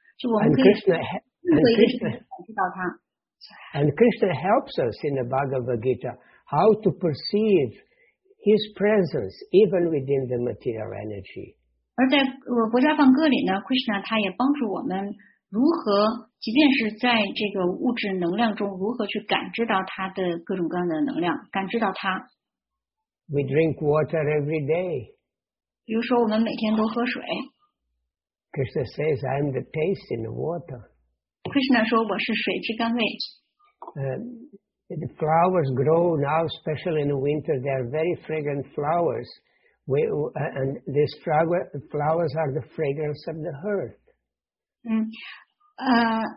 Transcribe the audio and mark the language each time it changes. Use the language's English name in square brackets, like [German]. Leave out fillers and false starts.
[Chinese] 就我们可以任何一个地方感受到它。 [English] And Krishna helps us in the Bhagavad Gita how to perceive. His presence, even within the material energy. [Chinese] 而在国家放歌里呢 ，Krishna 他也帮助我们如何，即便是在这个物质能量中，如何去感知到他的各种各样的能量，感知到他。 [English] We drink water every day. [Chinese] 比如说，我们每天都喝水。 [English] Krishna says, "I am the taste in the water." [Chinese] Krishna 说，我是水之甘味。 [English] The flowers grow now, especially in the winter. They are very fragrant flowers, and these flowers are the fragrance of the earth.